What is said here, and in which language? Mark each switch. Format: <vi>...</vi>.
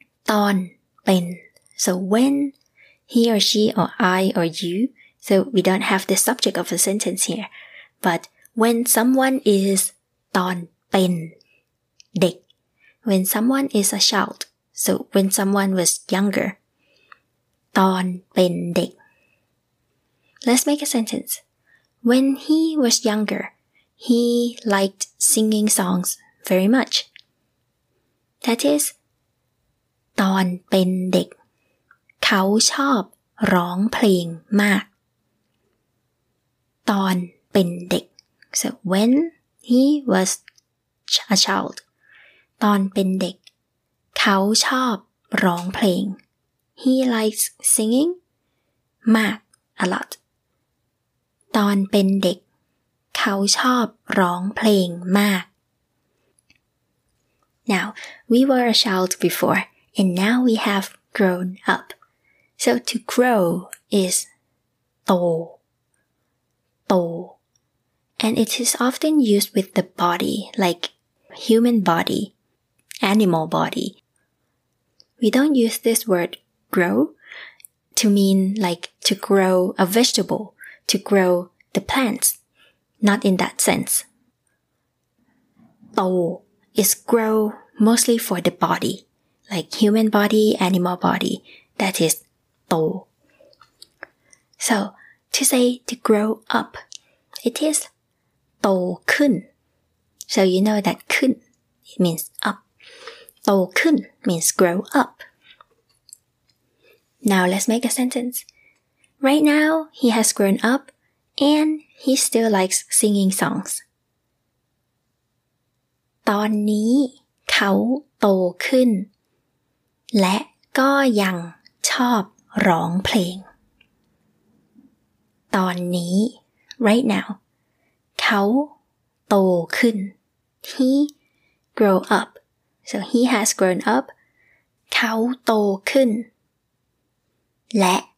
<en>ตอนเป็น so when he or she or I or you, so we don't have the subject of the sentence here, but when someone is</en> <th>ตอนเป็นเด็ก</th> <en>when someone is a child, so when someone was younger. ตอนเป็นเด็ก Let's make a sentence. When he was younger, he liked singing songs very much. That is,</en> <th>ตอนเป็นเด็กเขาชอบร้องเพลงมาก</th> <en>ตอนเป็นเด็ก So when he was a child,</en> <th>ตอนเป็นเด็กเขาชอบร้องเพลง</th> <en>He likes singing</en> <th>มาก</th> <en>a lot.</en> <th>ตอนเป็นเด็กเขาชอบร้องเพลงมาก</th> <en>Now, we were a child before, and now we have grown up. So to grow is</en> <th>โต</th> <en>โต And it is often used with the body, like human body, animal body. We don't use this wordGrow to mean like to grow a vegetable, to grow the plants, not in that sense. โต is grow mostly for the body, like human body, animal body, that is โต So to say to grow up, it is</en> <th>โตขึ้น</th> <en>So you know that ขึ้น it means up. โตขึ้น means grow up. Now let's make a sentence. Right now, he has grown up, and he still likes singing songs. เ</en> <th>ตอนนี้เขาโตขึ้นและก็ยังชอบร้องเพลงตอนนี้</th> <en>right now</en> <th>เขาโตขึ้น</th> <en>he grow up so he has grown up</en> <th>เขาโตขึ้นและ</th>